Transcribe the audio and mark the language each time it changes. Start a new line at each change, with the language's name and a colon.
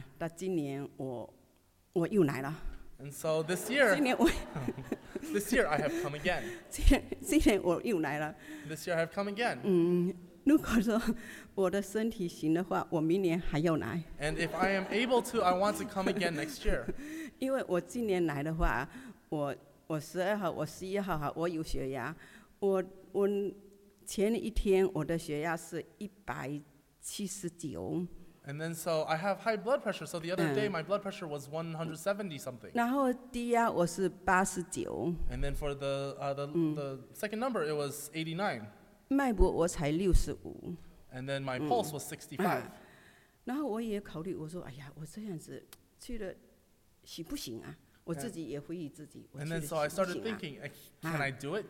Chinese: 但那这个这样子的，哎，到今年我又来了。
English: And so this year, this year I have come again.
Chinese: 今年我又来了。
English: This year I have come again.
Chinese: 如果说我的身体行的话，我明年还要来。
English: And if I am able to, I want to come again next year.
Chinese: 因为我今年来的话，我十二号、我十一号哈，我有血压。我前一天我的血压是179。
English: And then so I have high blood pressure. So the other day my blood pressure was 170 something.
Chinese: 然后低压我是89。
English: And then for the second number it was 89.
Chinese: 脉搏我才65。
English: And then my pulse was 65.
Chinese: 然后我也考虑，我说，哎呀，我这样子去了，行不行啊？
English: And then so I started thinking, can I do it?